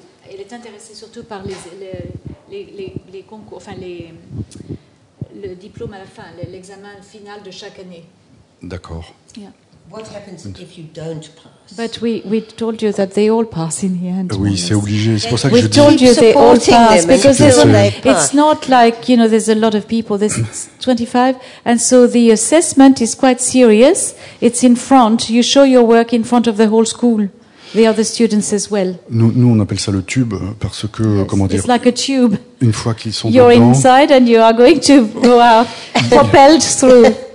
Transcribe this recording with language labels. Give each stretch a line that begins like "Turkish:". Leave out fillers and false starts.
French: Elle est intéressée surtout par les concours, enfin le diplôme à la fin, l'examen final de chaque année. D'accord.
English: Yeah. What happens if you don't pass? But we told you that they all pass in the end.
French: Oui, c'est obligé. C'est pour ça que
English: we
French: je dis.
English: We told you they all pass because it's not like there's a lot of people. There's 25, and so the assessment is quite serious. It's in front. You show your work in front of the whole school. The other students as well.
French: Nous on appelle ça le tube parce que
English: It's like a tube.
French: Une fois qu'ils sont
English: you're
French: dedans,
English: you're inside and you are going to go out, propelled through.